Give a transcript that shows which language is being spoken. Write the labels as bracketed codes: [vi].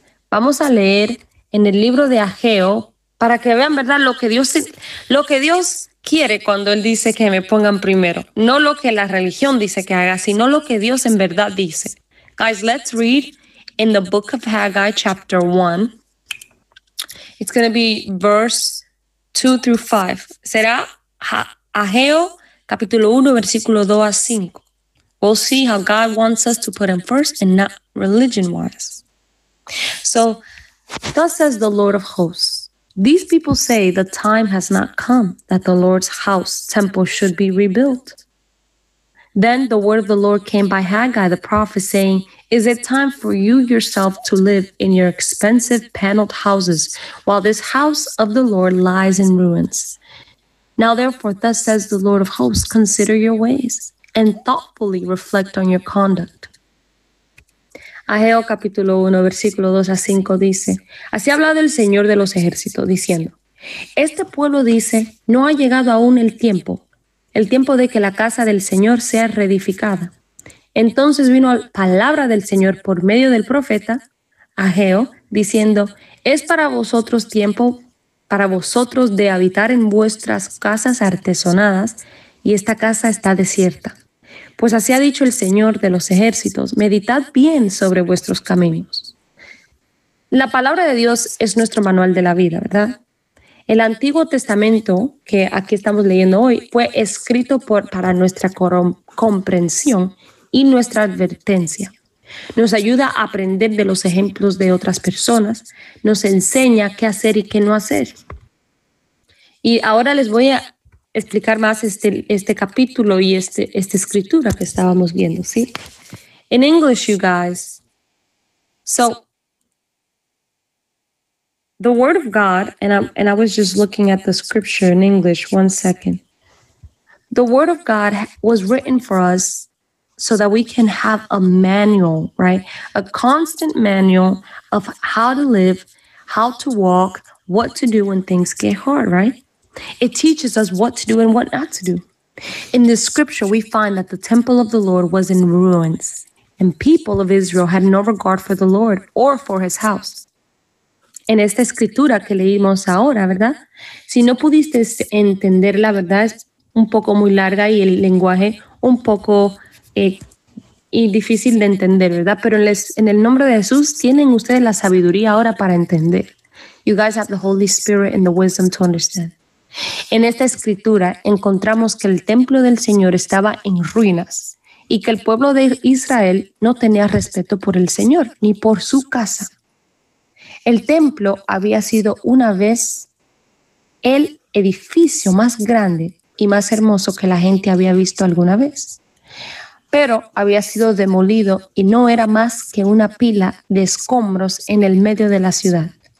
[es] Vamos a leer en el libro de Ageo para que vean, ¿verdad?, lo que Dios quiere cuando él dice que me pongan primero. No lo que la religión dice que haga, sino lo que Dios en verdad dice. [en] Guys, let's read in the book of Haggai chapter 1. It's going to be verse 2 through 5. [es] Será Ageo, capítulo 1, versículo 2 a 5. [en] We'll see how God wants us to put him first and not religion-wise. So, thus says the Lord of hosts, these people say the time has not come that the Lord's house, temple, should be rebuilt. Then the word of the Lord came by Haggai, the prophet, saying, is it time for you yourself to live in your expensive paneled houses while this house of the Lord lies in ruins? Now, therefore, thus says the Lord of hosts, consider your ways and thoughtfully reflect on your conduct. [es] Ageo capítulo 1, versículo 2 a 5 dice, así ha hablado el Señor de los ejércitos, diciendo, este pueblo dice, no ha llegado aún el tiempo de que la casa del Señor sea reedificada. Entonces vino la palabra del Señor por medio del profeta Ageo, diciendo, es para vosotros tiempo para vosotros de habitar en vuestras casas artesonadas, y esta casa está desierta. Pues así ha dicho el Señor de los ejércitos, meditad bien sobre vuestros caminos. La palabra de Dios es nuestro manual de la vida, ¿verdad? El Antiguo Testamento, que aquí estamos leyendo hoy, fue escrito para nuestra comprensión y nuestra advertencia. Nos ayuda a aprender de los ejemplos de otras personas, nos enseña qué hacer y qué no hacer. Y ahora les voy a explicar más este capítulo y esta escritura que estábamos viendo, ¿sí? [en] In English, you guys. So, the word of God, and I was just looking at the scripture in English, one second. The word of God was written for us so that we can have a manual, right? A constant manual of how to live, how to walk, what to do when things get hard, right? It teaches us what to do and what not to do. In this scripture, we find that the temple of the Lord was in ruins, and people of Israel had no regard for the Lord or for his house. [es] En esta escritura que leímos ahora, ¿verdad? Si no pudiste entender, la verdad es un poco muy larga y el lenguaje un poco y difícil de entender, ¿verdad? Pero en el nombre de Jesús tienen ustedes la sabiduría ahora para entender. [en] You guys have the Holy Spirit and the wisdom to understand. [es] En esta escritura encontramos que el templo del Señor estaba en ruinas y que el pueblo de Israel no tenía respeto por el Señor ni por su casa. El templo había sido una vez el edificio más grande y más hermoso que la gente había visto alguna vez, pero había sido demolido y no era más que una pila de escombros en el medio de la ciudad.